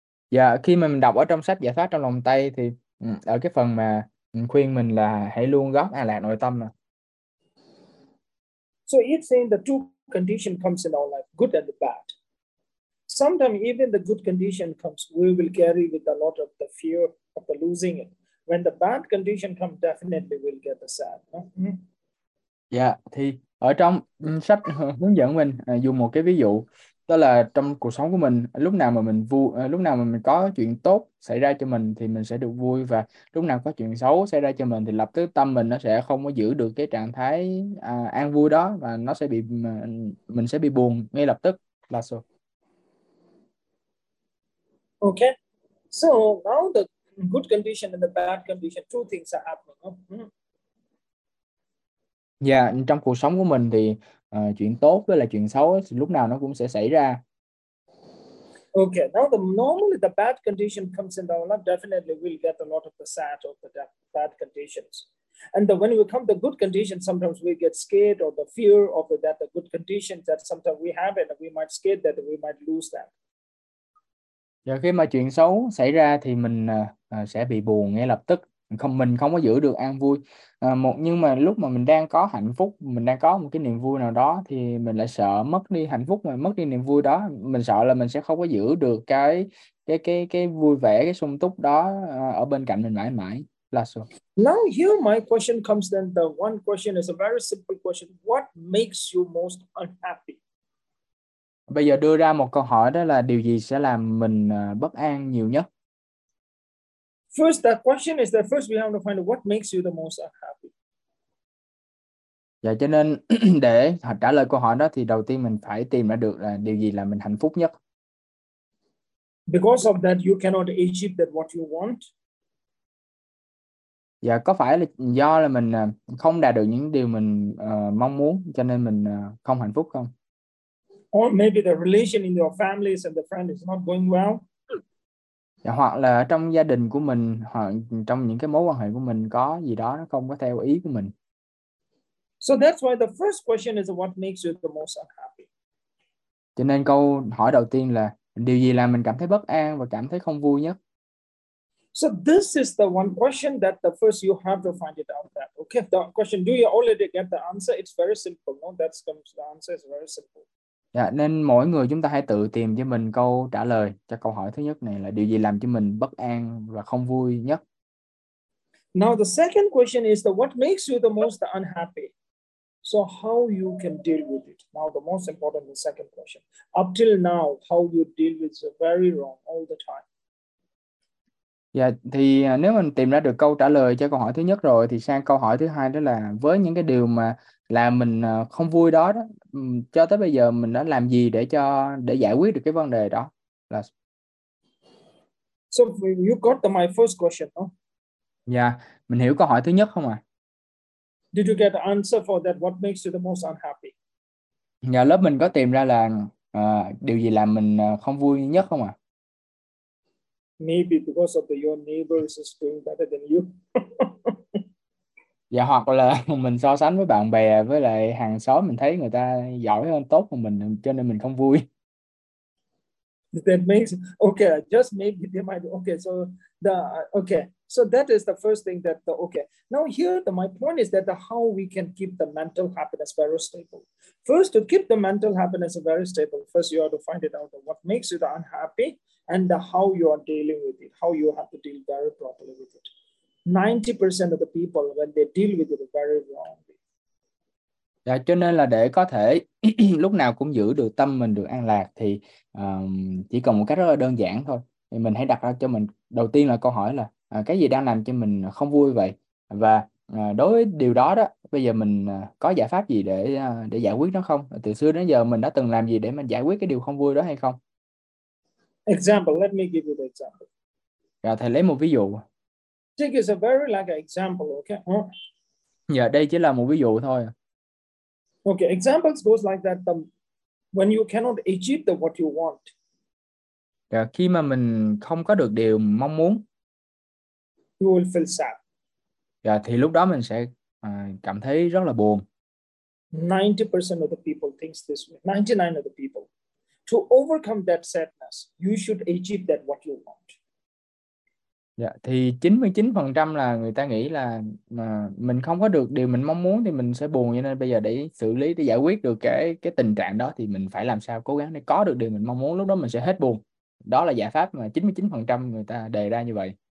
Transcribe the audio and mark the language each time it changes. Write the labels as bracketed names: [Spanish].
[Vietnamese] Dạ, khi mà mình đọc ở trong sách giải thoát trong lòng tay thì ở cái phần mà mình khuyên mình là hãy luôn góp an lạc nội tâm mà. [English] So it's saying the two condition comes in our life, good and the bad. Sometimes even the good condition comes, we will carry with a lot of the fear of the losing it. When the bad condition comes, definitely we'll get the sad. No? Mm-hmm. [Vietnamese] Dạ, thì ở trong sách hướng dẫn mình dùng một cái ví dụ đó là trong cuộc sống của mình lúc nào mà mình có chuyện tốt xảy ra cho mình thì mình sẽ được vui và lúc nào có chuyện xấu xảy ra cho mình thì lập tức tâm mình nó sẽ không có giữ được cái trạng thái an vui đó và nó sẽ bị mình sẽ bị buồn ngay lập tức là sao. [English] Okay, so now the good condition and the bad condition, two things are happening. No? Mm-hmm. [Vietnamese] Yeah, trong cuộc sống của mình thì chuyện tốt với là chuyện xấu thì lúc nào nó cũng sẽ xảy ra. [English] Okay, now normally the bad condition comes in our life, definitely we'll get a lot of the sad or the bad conditions. And the, when we come to good condition, sometimes we get scared or the fear of that the good conditions that sometimes we have and we might scared that we might lose that. [Vietnamese] Và khi mà chuyện xấu xảy ra thì mình sẽ bị buồn ngay lập tức, mình không có giữ được an vui. Nhưng mà lúc mà mình đang có hạnh phúc, mình đang có một cái niềm vui nào đó thì mình lại sợ mất đi hạnh phúc mà mất đi niềm vui đó, mình sợ là mình sẽ không có giữ được cái vui vẻ, cái sung túc đó ở bên cạnh mình mãi mãi. [English] Last one. Now here my question comes then, the one question is a very simple question. What makes you most unhappy? [Vietnamese] Bây giờ đưa ra một câu hỏi đó là điều gì sẽ làm mình bất an nhiều nhất? [English] First, the question is that first we have to find out what makes you the most unhappy. [Vietnamese] Dạ, cho nên để trả lời câu hỏi đó thì đầu tiên mình phải tìm ra được là điều gì làm mình hạnh phúc nhất. [English] Because of that, you cannot achieve that what you want. [Vietnamese] Dạ, có phải là do là mình không đạt được những điều mình mong muốn cho nên mình không hạnh phúc không? [English] Or maybe the relation in your families and the friend is not going well. [Vietnamese] Dạ, hoặc là trong gia đình của mình, hoặc trong những cái mối quan hệ của mình có gì đó nó không có theo ý của mình. [English] So that's why the first question is what makes you the most unhappy. [Vietnamese] Cho nên câu hỏi đầu tiên là điều gì làm mình cảm thấy bất an và cảm thấy không vui nhất? [English] So this is the one question that the first you have to find it out that. Okay, the question, do you already get the answer? It's very simple. No, that's the answer is very simple. [Vietnamese] Dạ, nên mỗi người chúng ta hãy tự tìm cho mình câu trả lời cho câu hỏi thứ nhất này là điều gì làm cho mình bất an và không vui nhất. [English] Now the second question is that what makes you the most unhappy? So how you can deal with it? Now the most important the second question. Up till now, how you deal with it is very wrong all the time. [Vietnamese] Dạ, thì nếu mình tìm ra được câu trả lời cho câu hỏi thứ nhất rồi thì sang câu hỏi thứ hai, đó là với những cái điều mà làm mình không vui đó đó, cho tới bây giờ mình đã làm gì để giải quyết được cái vấn đề đó là. [English] So you got the my first question, no? [Vietnamese] Dạ, mình hiểu câu hỏi thứ nhất không ạ? [English] Did you get the answer for that? What makes you the most unhappy? [Vietnamese] Dạ, lớp mình có tìm ra là điều gì làm mình không vui nhất không ạ? [English] Maybe because of the, your neighbors is doing better than you. [Vietnamese] Dạ, hoặc là mình so sánh với bạn bè, với lại hàng xóm, mình thấy người ta giỏi hơn, tốt hơn mình, cho nên mình không vui. [English] That makes okay. Just maybe they might okay. So that is the first thing that the okay. Now here, my point is that the how we can keep the mental happiness very stable. First, to keep the mental happiness very stable, first you have to find it out what makes you the unhappy and the how you are dealing with it. How you have to deal very properly with it. 90% of the people when they deal with it very wrong. [Vietnamese] Dạ, cho nên là để có thể lúc nào cũng giữ được tâm mình được an lạc thì chỉ cần một cách rất là đơn giản thôi. Thì mình hãy đặt ra cho mình đầu tiên là câu hỏi là cái gì đang làm cho mình không vui vậy? Và đối với điều đó đó, bây giờ mình có giải pháp gì để giải quyết nó không? Từ xưa đến giờ mình đã từng làm gì để mình giải quyết cái điều không vui đó hay không? [English] Example, let me give you the example. [Vietnamese] Dạ, thầy lấy một ví dụ. [English] Take is a very like an example, okay? [Vietnamese] Dạ, đây chỉ là một ví dụ thôi. [English] Okay, examples goes like that. When you cannot achieve the what you want. [Vietnamese] Dạ, khi mà mình không có được điều mong muốn, [English] You will feel sad. [Vietnamese] dạ, thì lúc đó mình sẽ cảm thấy rất là buồn. [English] 90% of the people thinks this way. 99 of the people. To overcome that sadness, you should achieve that what you want. [Vietnamese] Dạ, thì 99% là người ta nghĩ là mà mình không có được điều mình mong muốn thì mình sẽ buồn, cho nên bây giờ để xử lý, để giải quyết được cái tình trạng đó thì mình phải làm sao cố gắng để có được điều mình mong muốn, lúc đó mình sẽ hết buồn. Đó là giải pháp mà 99% người ta đề ra như vậy.